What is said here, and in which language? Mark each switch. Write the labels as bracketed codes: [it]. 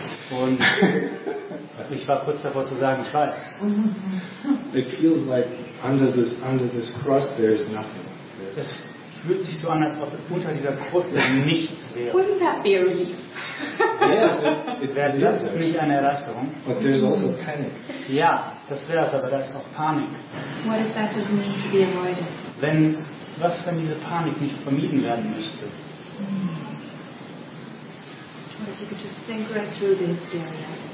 [de] Und ich war kurz davor zu sagen, ich weiß. [en] It feels like under this crust there is nothing. [de] Es fühlt sich so an, als ob unter dieser Kruste nichts wäre. [en] Wouldn't that be a relief? Yes, [de] it wäre das nicht eine Erleichterung? [en] But there's also panic. [de] Ja, das wäre es, aber da ist auch Panik. [en] What if that doesn't need to be avoided? [de] Was wenn diese Panik nicht vermieden werden müsste? [en] If you could just sink right through the hysteria.